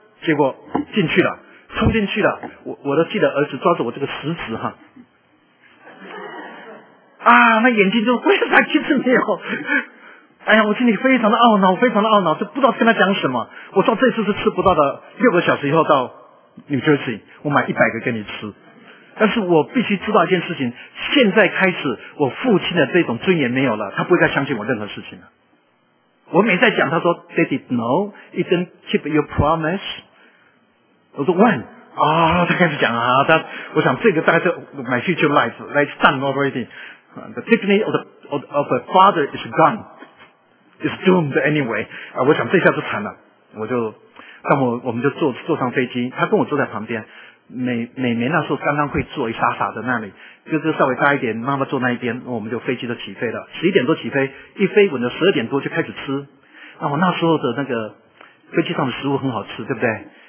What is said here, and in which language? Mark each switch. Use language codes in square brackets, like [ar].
[zh] 结果进去了，冲进去了，我都记得儿子抓着我这个食指哈，啊，那眼睛就为啥去吃面后，哎呀，我心里非常的懊恼，非常的懊恼，就不知道跟他讲什么。我说这次是吃不到的，六个小时以后到 New Jersey， 我买100个给你吃。但是我必须知道一件事情，现在开始我父亲的这种尊严没有了，他不会再相信我任何事情了。我每次讲，他说 [en] Daddy no， you didn't keep your promise。 [zh] 我说 [en] when [zh] 啊，他开始讲啊，他我想这个大概是 [en] my future life like done already， the dignity of a father is gone， is doomed anyway [zh] 啊，我想这下就惨了，我就，那么我们就坐上飞机，他跟我坐在旁边，美那时候刚刚会坐，一傻傻的那里，哥哥稍微大一点，妈妈坐那一边，我们就飞机就起飞了，11点多起飞，一飞稳了12点多就开始吃，那我那时候的那个飞机上的食物很好吃，对不对？